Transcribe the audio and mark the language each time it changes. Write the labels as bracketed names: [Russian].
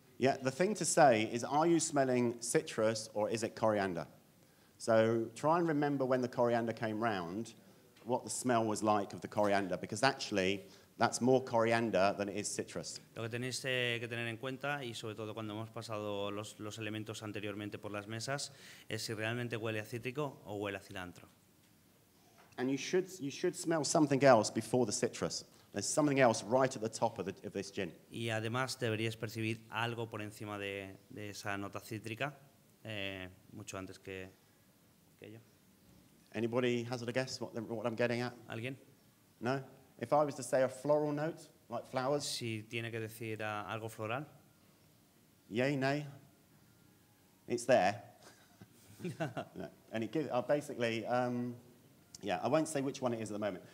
[English] Yeah, the thing to say is, are you smelling citrus or is it coriander? So try and remember when the coriander came round, what the smell was like of the coriander, because actually, that's more coriander than it is citrus. [Spanish] Lo que tenéis que tener en cuenta, y sobre todo cuando hemos pasado los elementos anteriormente por las mesas, es si realmente huele a cítrico o huele a cilantro. [English] And you should smell something else before the citrus. There's something else right at the top of this gin. [Spanish] Y además deberíais percibir algo por encima de esa nota cítrica, mucho antes que yo. [English] Anybody hazard a guess what I'm getting at? [Spanish] ¿Alguien? [English] No? If I was to say a floral note, like flowers. [Spanish] Si tiene que decir algo floral. [English] Yay, nay. It's there. And it gives, basically, I won't say which one it is at the moment.